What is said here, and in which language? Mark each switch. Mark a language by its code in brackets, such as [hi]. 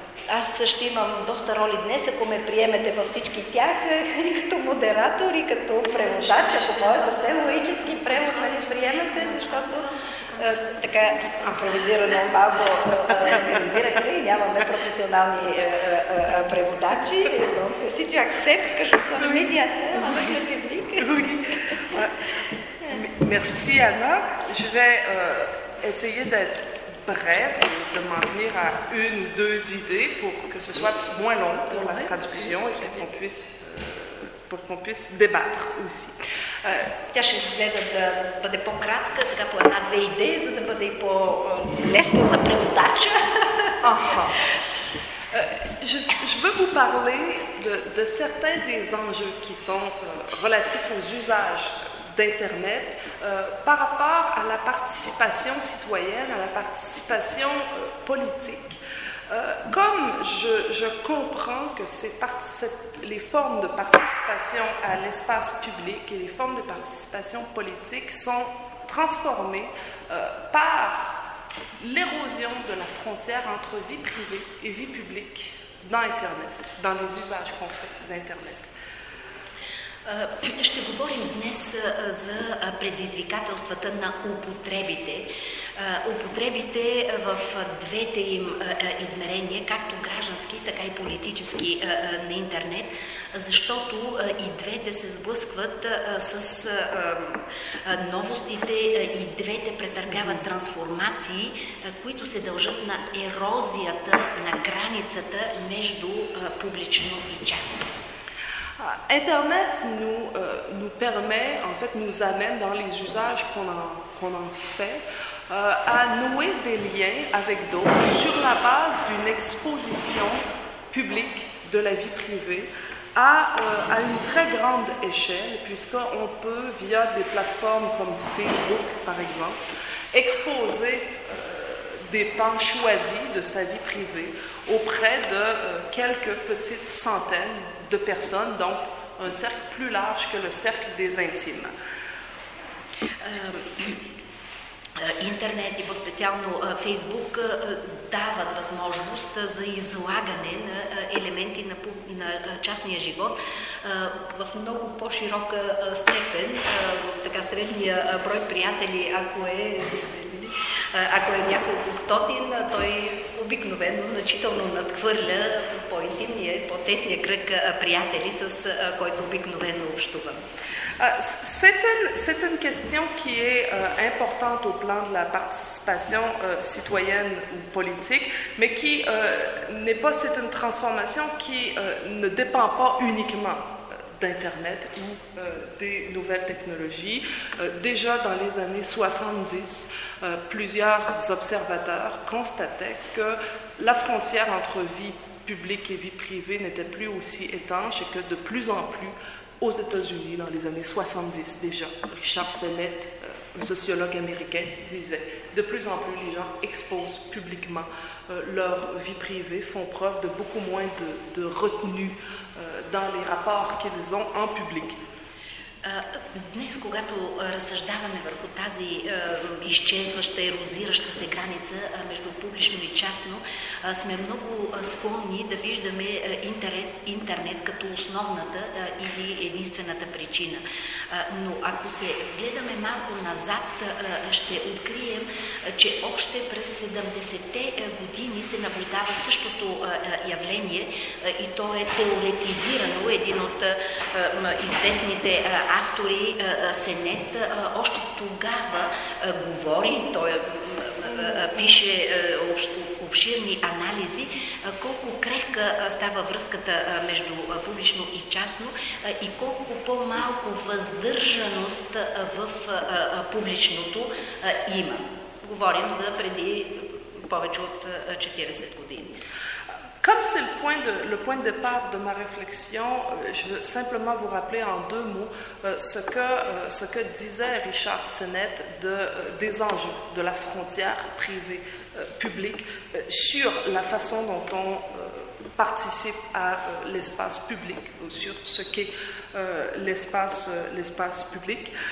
[bg] Аз също имам доста роли днес, ако ме приемете във всички тях, и като модератор, и като преводач, ако това е съвсем логически превод, ме приемете, защото така импровизирано малко организирахме и нямаме професионални преводачи. Си тях сет, кажа са на медията, а на република. Мерси, Ана. [fr] Je vais essayer d'être bref, de maintenir à une ou deux idées pour que ce soit moins long pour la traduction et pour qu'on puisse débattre aussi. [bg] Тя ще гледа да бъде по-кратка, така по една-две идеи, за да бъде и по-лесно за преводача. [fr] Je veux vous parler de certains des enjeux qui sont relatifs aux usages d'Internet par rapport à la participation citoyenne, à la participation politique. Comme je comprends que les formes de participation à l'espace public et les formes de participation politique sont transformées par l'érosion de la frontière entre vie privée et vie publique dans Internet, dans les usages qu'on fait d'Internet. [bg] Ще говорим днес за предизвикателствата на употребите. Употребите в двете им измерения, както граждански, така и политически на интернет, защото и двете се сблъскват с новостите, и двете претърпяват трансформации, които се дължат на ерозията на границата между публично и частно. [fr] Internet nous permet, en fait, nous amène dans les usages qu'on en fait, à nouer des liens avec d'autres sur la base d'une exposition publique de la vie privée à une très grande échelle, puisqu'on peut, via des plateformes comme Facebook, par exemple, exposer des pans choisis de sa vie privée auprès de quelques petites centaines de personnes, donc un cercle plus large que le cercle des intimes. [bg] Интернет и по-специално Фейсбук дават възможност за излагане на елементи на частния живот в много по-широка степен, така средния брой приятели, ако е няколко стотин, той обикновено значително надхвърля по-интимния по-тесния кръг приятели, с който обикновено общувам. [fr] C'est une question qui est importante au plan de la participation citoyenne ou politique, mais qui n'est pas, c'est une transformation qui ne dépend pas uniquement d'Internet ou des nouvelles technologies. Déjà dans les années 70, plusieurs observateurs constataient que la frontière entre vie publique et vie privée n'était plus aussi étanche et que de plus en plus, aux États-Unis, dans les années 70 déjà, Richard Sennett, un sociologue américain, disait « De plus en plus, les gens exposent publiquement leur vie privée, font preuve de beaucoup moins de retenue dans les rapports qu'ils ont en public. » [bg] Днес, когато разсъждаваме върху тази изчезваща, ерозираща се граница между публично и частно, сме много склонни да виждаме интернет като основната или единствената причина. Но ако се гледаме малко назад, ще открием, че още през 70-те години се наблюдава същото явление и то е теоретизирано един от известните автори Сенет. Още тогава говори, той пише обширни анализи, колко крехка става връзката между публично и частно и колко по-малко въздържаност в публичното има. Говорим за преди повече от 40 години. [fr] Comme c'est le point de départ de ma réflexion, je veux simplement vous rappeler en deux mots ce que disait Richard Sennett des enjeux de la frontière privée-publique sur la façon dont on participe à l'espace public, ou sur ce qu'est l'espace public.